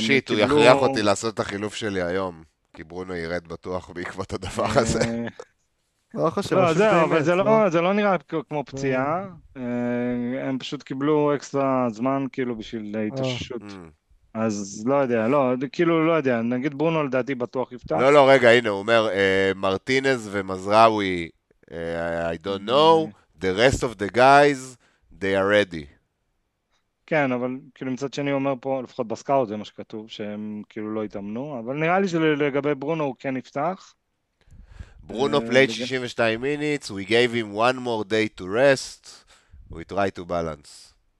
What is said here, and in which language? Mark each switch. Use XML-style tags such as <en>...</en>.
<he>שיט, הוא יכריח אותי לעשות את החילוף שלי היום, כי ברונו ירד בטוח בעקבות הדבר הזה. לא חושב, זה לא נראה כמו פציעה. הם פשוט קיבלו אקסטרה זמן כאילו בשביל להתאוששות. אז לא יודע, לא, כאילו לא יודע, נגיד ברונו לדעתי בטוח יפתח. לא, לא, רגע, הנה, הוא אומר,</he> <en>מרטינז ומזראוי, I don't know, the rest of the guys, they are ready.</en> <he>כן, אבל כאילו מצד שני אומר פה, לפחות בסקאוט זה מה שכתוב, שהם כאילו לא התאמנו, אבל נראה לי שלגבי ברונו הוא כן יפתח.</he> <en>ברונו played 62 minutes, we gave him one more day to rest, we try to balance.</en>